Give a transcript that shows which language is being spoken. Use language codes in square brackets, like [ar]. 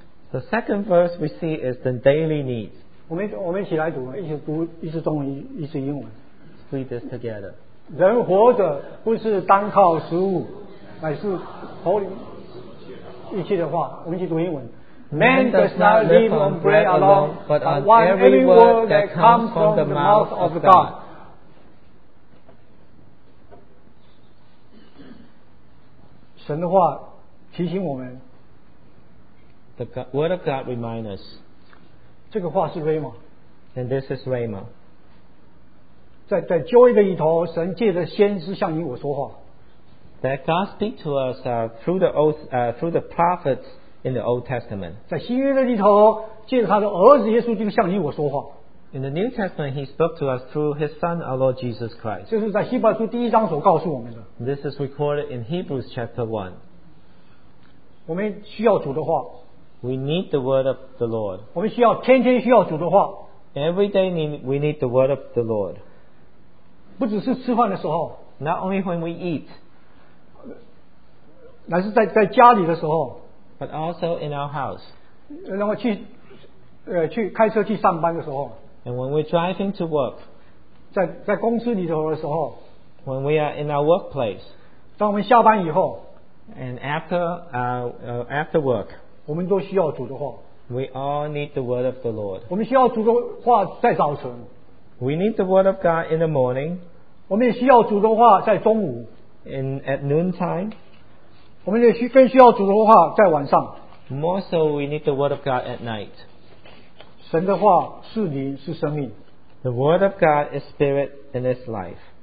[en] The second verse we see is the daily needs. [zh] 我们一起来读，一起读，一起中文，一起英文。 [en] Let's read this together. [zh] 人活着不是单靠食物，乃是口里一切的话。我们一起读英文。 [en] Man does not live on bread alone, but on every word that comes from the mouth of God. [zh] 神的话提醒我们。 [en] The word of God reminds us. [zh] 这个话是Rhema。 [en] And this is Rhema. [zh] 在旧约的里头, 神借着先知向你我说话。 [en] That God speaks to us through the prophets in the Old Testament. [zh] 在新约的里头, 借着他的儿子耶稣基督向你我说话。 [en] In the New Testament, He spoke to us through His Son, our Lord Jesus Christ. [zh] 这是在希伯来书第一章所告诉我们的。 [en] This is recorded in Hebrews chapter 1. [zh] 我们需要主的话。 [en] We need the word of the Lord. [zh] 我们需要天天需要主的话。 [en] Every day we need the word of the Lord. [zh] 不只是吃饭的时候。 [en] Not only when we eat. [zh] 乃是在家里的时候。 [en] But also in our house. [zh] 然后去开车去上班的时候。 [en] And when we're driving to work. [zh] 在公司里头的时候。 [en] When we are in our workplace. [zh] 当我们下班以后。 [en] And after work. [zh] 我们都需要主的话。 [en] We all need the word of the Lord. [zh] 我们需要主的话在早晨。 [en] We need the word of God in the morning. [zh] 我们也需要主的话在中午。 [en] And at noontime. [zh] 我们也更需要主的话在晚上。 [en] More so we need the word of God at night. [zh] 神的话是灵是生命。 [en] The word of God is spirit and is life.